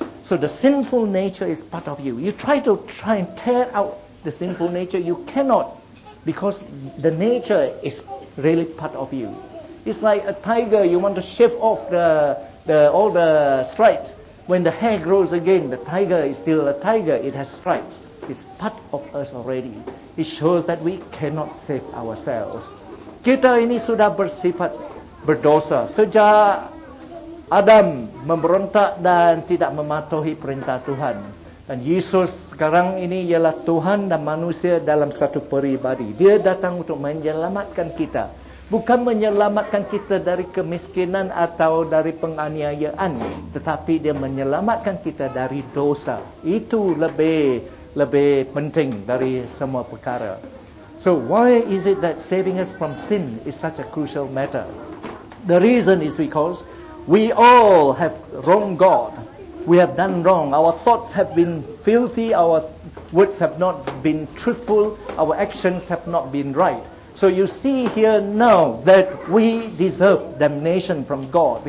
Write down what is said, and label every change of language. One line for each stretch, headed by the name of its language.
English: So the sinful nature is part of you. You try and tear out the sinful nature, you cannot, because the nature is really part of you. It's like a tiger, you want to shave off the all the stripes. When the hair grows again, the tiger is still a tiger, it has stripes. It's part of us already. It shows that we cannot save ourselves.
Malay: Kita ini sudah bersifat berdosa. Sejak Adam memberontak dan tidak mematuhi perintah Tuhan. Dan Yesus sekarang ini ialah Tuhan dan manusia dalam satu peribadi. Dia datang untuk menyelamatkan kita. Bukan menyelamatkan kita dari kemiskinan atau dari penganiayaan. Tetapi dia menyelamatkan kita dari dosa. Itu lebih penting dari semua perkara.
English: So why is it that saving us from sin is such a crucial matter? The reason is because we all have wronged God. We have done wrong. Our thoughts have been filthy. Our words have not been truthful. Our actions have not been right. So you see here now that we deserve damnation from God.